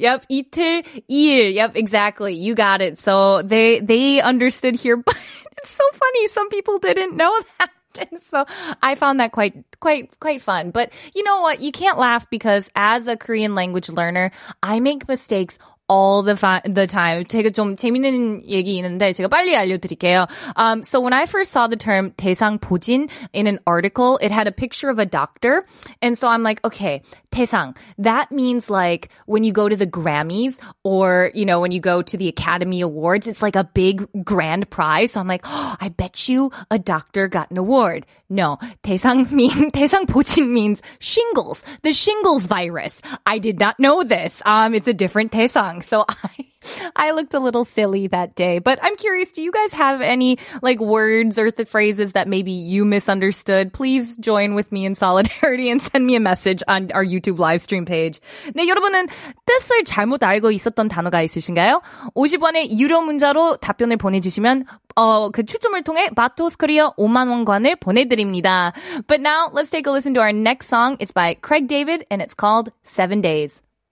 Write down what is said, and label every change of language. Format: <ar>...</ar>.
<en>Yep,</en> <ko>이틀 이일.</ko> <en>Yep, exactly. You got it. So they understood here, but it's so funny. Some people didn't know that. And so I found that quite fun. But you know what? You can't laugh, because as a Korean language learner, I make mistakes all the time.</en> <ko>제가 좀 재밌는 얘기 있는데 제가 빨리 알려드릴게요.</ko> <en>So when I first saw the term 대상 보진 in an article, it had a picture of a doctor. And so I'm like, okay, 대상. That means like when you go to the Grammys, or, you know, when you go to the Academy Awards, it's like a big grand prize. So I'm like, oh, I bet you a doctor got an award. No, 대상 보진 means shingles, the shingles virus. I did not know this. It's a different 대상. So I looked a little silly that day. But I'm curious, do you guys have any like words or phrases that maybe you misunderstood? Please join with me in solidarity and send me a message on our YouTube live stream page.</en> <ko>네, 여러분은 뜻을 잘못 알고 있었던 단어가 있으신가요? 50원의 유료 문자로 답변을 보내주시면 그 추첨을 통해 마토스 코리아 5만 원권을 보내드립니다.</ko> <en>But now, let's take a listen to our next song. It's by Craig David, and it's called 7 Days.</en>